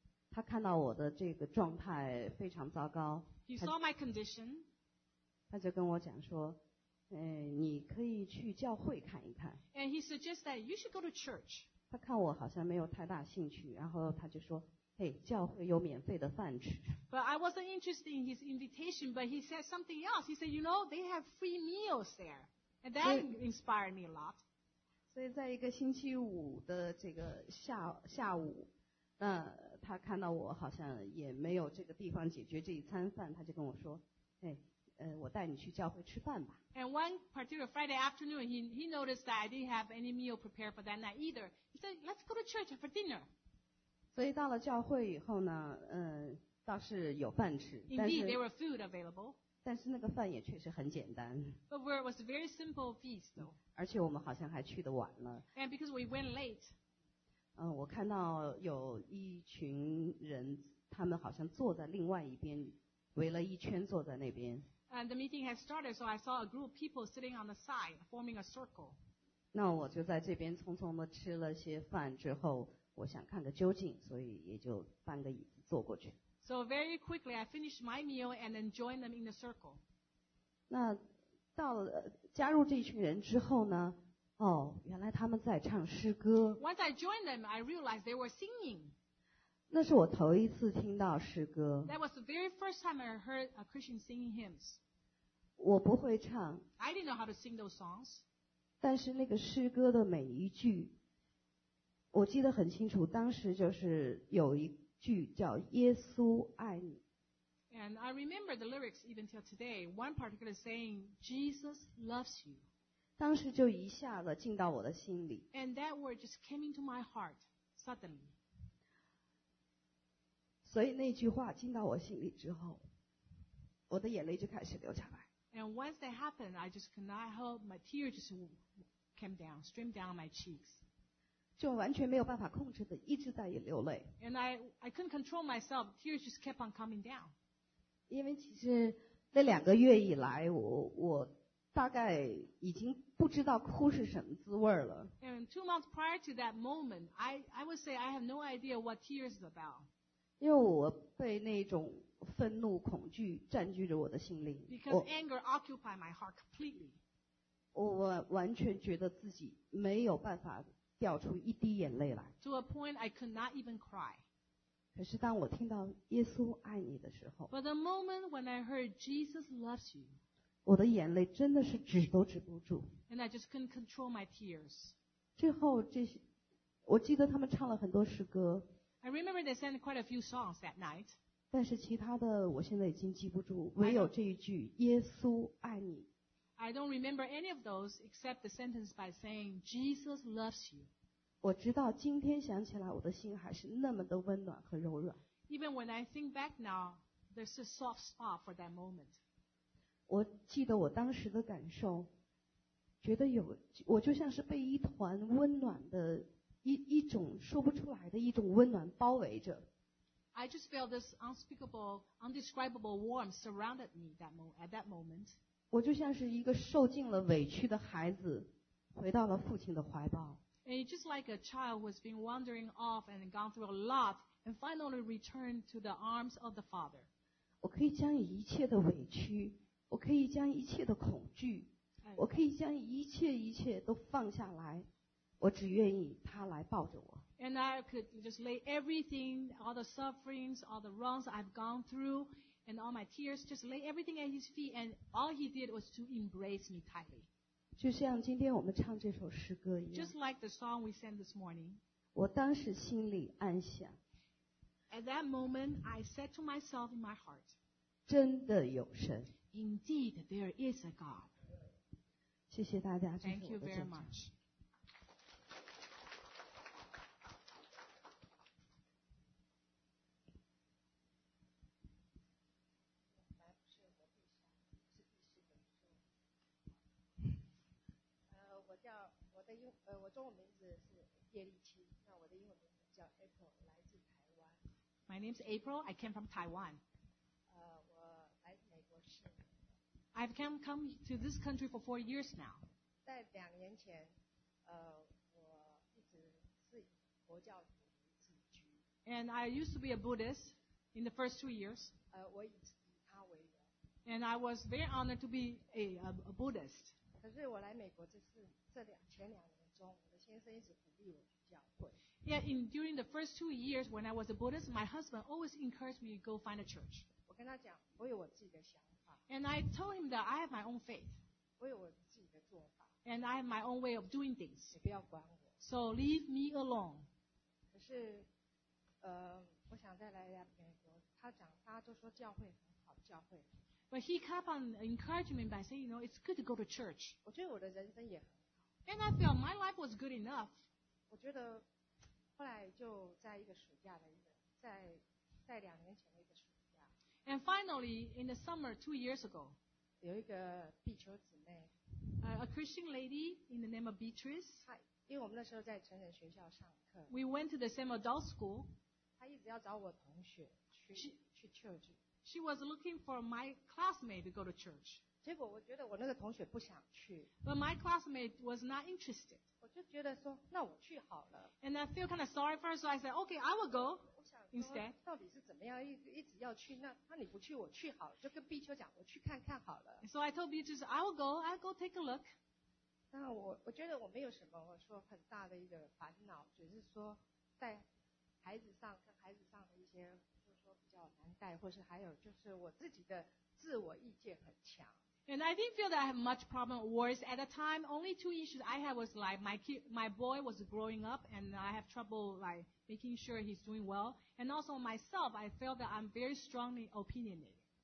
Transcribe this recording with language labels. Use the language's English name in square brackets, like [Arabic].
[Chinese] 他看到我的这个状态非常糟糕。 [English] He saw my condition. [Chinese] 他就跟我讲说。你可以去教会看一看。 [English] And he suggests that you should go to church. [Chinese] 他看我好像没有太大兴趣，然后他就说，嘿，教会有免费的饭吃。 [English] But I wasn't interested in his invitation, but he said something else. He said, you know, they have free meals there. And that inspired me a lot. [Chinese] 所以在一个星期五的这个下午，那他看到我好像也没有这个地方解决这一餐饭，他就跟我说，嘿，我带你去教会吃饭吧。 [English] And one particular Friday afternoon, he noticed that I didn't have any meal prepared for that night either. He said, let's go to church for dinner. [Chinese] 所以到了教会以后呢，倒是有饭吃。 [English] Indeed, there were food available. [Chinese] 但是那个饭也确实很简单。 [English] But it was a very simple feast, though. [Chinese] 而且我们好像还去得晚了。 [English] And because we went late. [Chinese] 我看到有一群人，他们好像坐在另外一边，围了一圈坐在那边。 [English] And the meeting had started, so I saw a group of people sitting on the side, forming a circle. [Chinese] 那我就在这边匆匆地吃了些饭之后，我想看个究竟，所以也就搬个椅子坐过去。 [English] So very quickly, I finished my meal and then joined them in the circle. [Chinese] 那到了加入这群人之后呢？哦，原来他们在唱诗歌。 [English] Once I joined them, I realized they were singing. [Chinese] 那是我头一次听到诗歌。 [English] That was the very first time I heard a Christian singing hymns. [Chinese] 我不会唱。 [English] I didn't know how to sing those songs. [Chinese] 但是那个诗歌的每一句，我记得很清楚，当时就是有一句叫耶稣爱你。 [English] And I remember the lyrics even till today. One particular saying, Jesus loves you. [Chinese] 当时就一下子进到我的心里。 [English] And that word just came into my heart suddenly. [Chinese] 所以那句话进到我心里之后，我的眼泪就开始流下来。 [English] And once that happened, I just could not help my tears just came down, streamed down my cheeks. [Chinese] 就完全没有办法控制的，一直在流泪。 [English] And I couldn't control myself, tears just kept on coming down. [Chinese] 因为其实那两个月以来，我大概已经不知道哭是什么滋味了。 [English] And 2 months prior to that moment, I would say I have no idea what tears is about. [Chinese] 因为我被那种愤怒恐惧占据着我的心灵 [English] Because anger occupied my heart completely. [Chinese] 我完全觉得自己没有办法掉出一滴眼泪来 [English] To a point I could not even cry. [Chinese] 可是当我听到耶稣爱你的时候 [English] But the moment when I heard Jesus loves you. [Chinese] 我的眼泪真的是止都止不住 [English] And I just couldn't control my tears. [Chinese] 之后这些我记得他们唱了很多诗歌 [English] I remember they sang quite a few songs that night. [Chinese] 但是其他的我现在已经记不住，唯有这一句耶稣爱你。 [English] I don't remember any of those except the sentence by saying Jesus loves you. [Chinese] 我直到今天想起来，我的心还是那么的温暖和柔软。 [English] Even when I think back now, there's a soft spot for that moment. [Chinese] 我记得我当时的感受，觉得有，我就像是被一团温暖的一种说不出来的一种温暖包围着。 [English] I just felt this unspeakable, indescribable warmth surrounded me at that moment. [Chinese] 我就像是一个受尽了委屈的孩子，回到了父亲的怀抱。 [English] And just like a child who has been wandering off and gone through a lot and finally returned to the arms of the father. [Chinese] 我可以将一切的委屈，我可以将一切的恐惧，我可以将一切一切都放下来。我只愿意他来抱着我。 [English] And I could just lay everything, all the sufferings, all the wrongs I've gone through, and all my tears, just lay everything at his feet, and all he did was to embrace me tightly. [Chinese] 就像今天我们唱这首诗歌一样。 [English] Just like the song we sang this morning. [Chinese] 我当时心里暗想。 [English] At that moment, I said to myself in my heart, [Chinese] 真的有神。 [English] Indeed, there is a God. [Chinese] 谢谢大家。 [English] Thank you very much. [Chinese] 我中文名字是叶丽青。 [English] My name is April. I came from Taiwan. [Chinese] 我来美国是。 [English] I've come to this country for 4 years now. [Chinese] 在两年前，我一直是以佛教自居。 [English] And I used to be a Buddhist in the first 2 years. [Chinese] 我以他为荣。 [English] And I was very honored to be a Buddhist. [Chinese] 可是我来美国前两年中，我的先生一直鼓励我去教会。 [English] Yeah, during the first 2 years when I was a Buddhist, my husband always encouraged me to go find a church. [Chinese] 我跟他讲，我有我自己的想法。 [English] And I told him that I have my own faith. [Chinese] 我有我自己的做法。 [English] And I have my own way of doing things. [Chinese] 你不要管我。 [English] So leave me alone. [Chinese] 可是，我想再来美国。大家都说教会很好，教会。 [English] But he kept on encouraging me by saying, you know, it's good to go to church. [Chinese] 我觉得我的人生也很好。 [English] And I felt my life was good enough. [Chinese] 我觉得。后来就在一个暑假的一个在两年前的一个暑假。 [English] And finally, in the summer 2 years ago, [Chinese] 有一个碧秋姊妹 [English] a Christian lady in the name of Beatrice. [Chinese] 她因为我们那时候在成人学校上课。 [English] We went to the same adult school. [Chinese] 她一直要找我同学去 church. [English] She was looking for my classmate to go to church. [Chinese] 结果我觉得我那个同学不想去。 [English] But my classmate was not interested. [Chinese] 就觉得说，那我去好了。 [English] And I feel kind of sorry for her, so I said, okay, I will go instead. [Chinese] 到底是怎么样，一直要去？那你不去，我去好了，就跟碧秋讲，我去看看好了。 [English] So I told Beatrice, I will go, I'll go take a look. [Chinese] 那我觉得我没有什么，我说很大的一个烦恼，只是说在孩子上跟孩子上的一些，就是说比较难带，或是还有就是我自己的自我意见很强。 [English] And I didn't feel that I had much problem or worse at the time. Only two issues I had was like my boy was growing up and I have trouble like making sure he's doing well. And also myself, I felt that I'm very strongly opinionated.